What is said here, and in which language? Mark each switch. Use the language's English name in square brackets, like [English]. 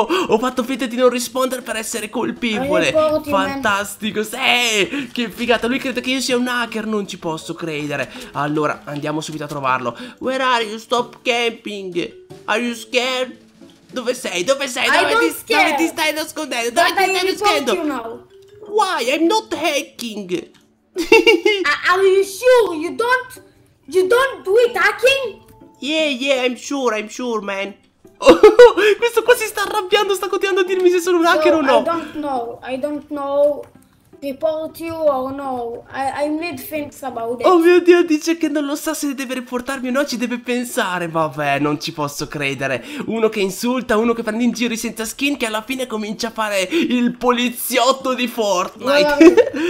[Italian] Ho fatto finta di non rispondere per essere colpevole. Fantastico, che figata. Lui crede che io sia un hacker, non ci posso credere. Allora, andiamo subito a trovarlo. [English] Where are you? Stop capping. Are you scared? [Italian] Dove sei? Dove ti stai nascondendo? Dove ti stai nascondendo? [English] Why? I'm not hacking. Are you sure you don't do it hacking? Yeah, I'm sure, man. [Italian] Oh, questo qua si sta arrabbiando, sta continuando a dirmi se sono un hacker o no. [English] I don't know. Report you or no. I made things about it. [Italian] Oh mio Dio, dice che non lo sa se deve riportarmi o no, ci deve pensare. Vabbè, non ci posso credere. Uno che insulta, uno che prende in giro i senza skin, che alla fine comincia a fare il poliziotto di Fortnite.